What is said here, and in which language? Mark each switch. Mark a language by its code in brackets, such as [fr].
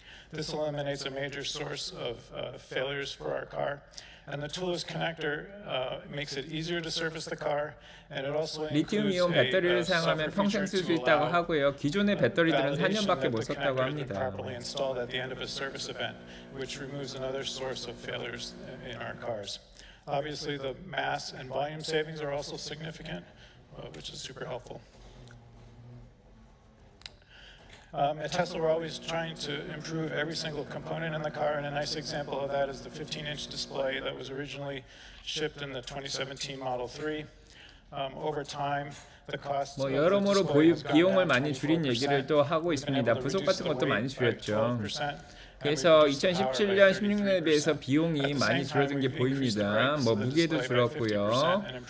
[en] This eliminates a major source of failures for our car. And the toolless connector makes it easier to service the car. And it also includes [ko] 리튬 이온 배터리를 사용하면 평생 쓸 수 있다고 하고요. 기존의 배터리들은 4년밖에 못 썼다고 합니다. [en] Properly installed at the end of a service event, which removes another source of failures in our cars. Obviously, the mass and volume savings are also significant, which is super helpful. At Tesla, we're always trying to improve every single component in the car, and a nice example of that is the 15-inch display that was originally shipped in the 2017 Model 3. Over time, [ko] 뭐 여러모로 보유 비용을 많이 줄인 얘기를 또 하고 있습니다. 부속 같은 것도 많이 줄였죠. 그래서 2017년, 16년에 비해서 비용이 많이 줄어든 게 보입니다. 뭐 무게도 줄었고요.